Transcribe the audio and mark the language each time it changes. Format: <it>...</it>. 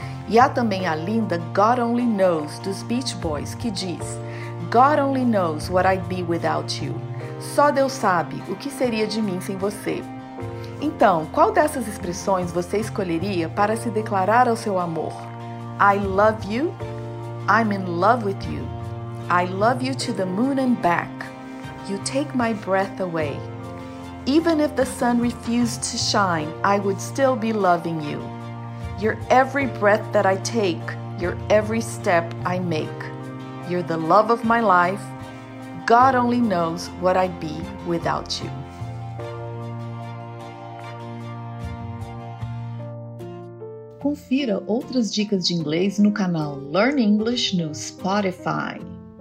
<pt>E há também a linda God Only Knows, dos Beach Boys, que diz</pt> <en>God Only Knows what I'd be without you.</en> <pt>Só Deus sabe o que seria de mim sem você. Então, qual dessas expressões você escolheria para se declarar ao seu amor?</pt> <en>I love you. I'm in love with you. I love you to the moon and back. You take my breath away. Even if the sun refused to shine, I would still be loving you. You're every breath that I take, you're every step I make. You're the love of my life. God only knows what I'd be without you.</en> <pt>Confira outras dicas de inglês no canal Learn English no Spotify.</pt>